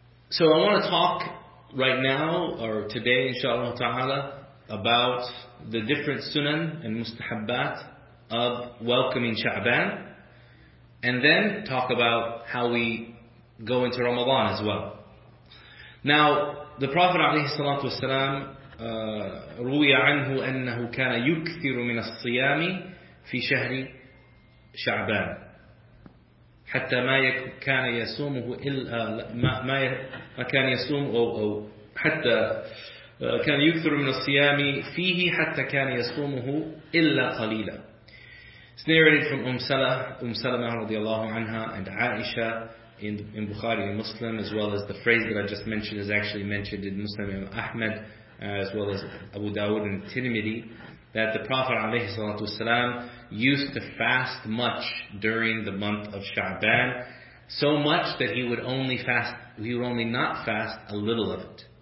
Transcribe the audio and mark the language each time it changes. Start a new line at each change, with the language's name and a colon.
English: So I want to talk right now, or today inshaAllah ta'ala, about the different sunan and mustahabbat of welcoming Sha'bān, and then talk about how we go into Ramadan as well. Now, the Prophet
Arabic: عليه الصلاة والسلام روي عنه أنه كان يكثر من الصيام في شهر شعبان حتى كان يكثر من الصيام فيه حتى كان يصومه إلا قليلا.
English: It's narrated from Salama radiallahu anha and Aisha in Bukhari and Muslim, as well as the phrase that I just mentioned is actually mentioned in Muslim and Ahmed, as well as Abu Dawud and Tirmidhi, that the Prophet alayhi salatu wasalam used to fast much during the month of Sha'bān, so much that he would only not fast a little of it.